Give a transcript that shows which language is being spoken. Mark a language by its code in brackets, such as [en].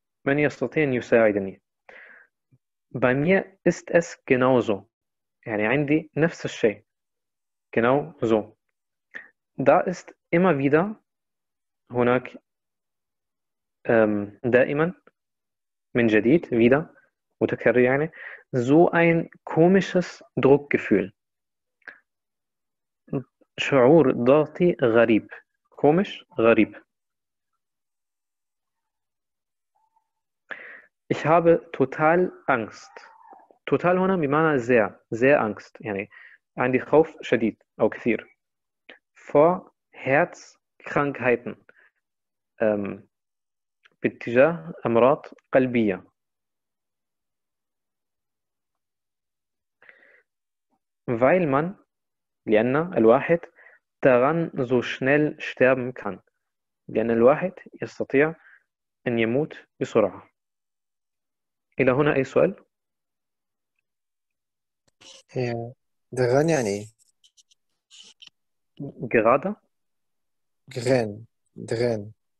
[ar] من يستطيع أن يساعدني؟ [de] Bei mir ist es genauso. [ar] يعني عندي نفس الشيء. [de] Genau so. Da ist immer wieder [ar] هناك دائما من جديد [de] wieder متكرر يعني so ein komisches Druckgefühl [ar] شعور ضغطي غريب [de] komisch غريب ich habe total Angst [ar] total هنا بمعنى sehr sehr Angst يعني عندي خوف شديد أو كثير [de] vor Herzkrankheiten [ar] باتجاه أمراض قلبية. [de] Weil man, [ar] لأن الواحد, [de] daran so schnell sterben kann. [ar] لأن الواحد يستطيع أن يموت بسرعة. إلى هنا أي سؤال؟ daran يعني؟ [de] gerade؟ daran, daran.